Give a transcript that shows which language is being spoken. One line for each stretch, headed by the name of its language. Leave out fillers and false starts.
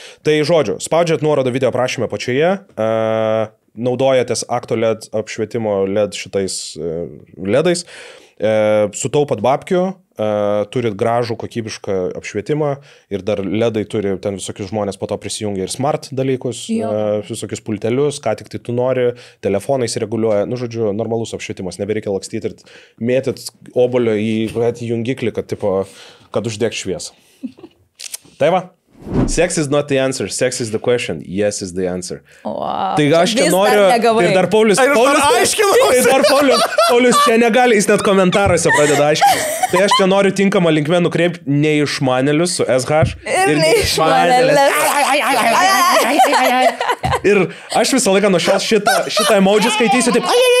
Lithuanian: Tai žodžiu, spaudžiat nuorodą video aprašymę pačioje, naudojatės ActoLED apšvietimo LED šitais ledais, sutaupat babkių, turit gražų kokybišką apšvietimą ir dar ledai turi, ten visokius žmonės po to prisijungia ir smart dalykus, visokius pultelius, ką tik tai tu nori, telefonai reguliuoja, nu žodžiu, normalus apšvietimas, nebereikia lakstyti ir mėtit obolio į jungiklį, kad tipo, kad uždėk šviesą. Tai va.
English: Sex is not the answer, sex is the question. Yes is the answer. Wow.
Lithuanian: Tai aš čia noriu... Ir dar Paulius... Paulius čia negali, jis net komentaruose pradeda aiškinti. Tai aš čia noriu tinkamą linkmę nukreipti neišmanelius su SH. Ir neišmanelius. Ir aš visą laiką nuo šios šitą emoji skaitysiu taip...